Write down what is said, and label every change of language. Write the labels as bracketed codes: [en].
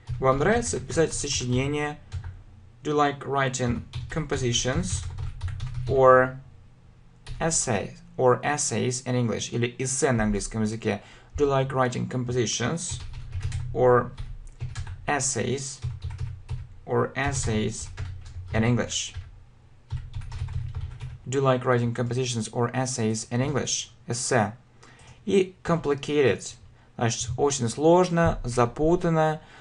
[ru] Вам нравится писать сочинение? [en] Do you like writing compositions or essays in English? [ru] Или эссе на английском языке. [en] Do you like writing compositions or essays in English? Do you like writing compositions or essays in English? [ru] Эссе. И complicated. Значит, очень сложно, запутанно.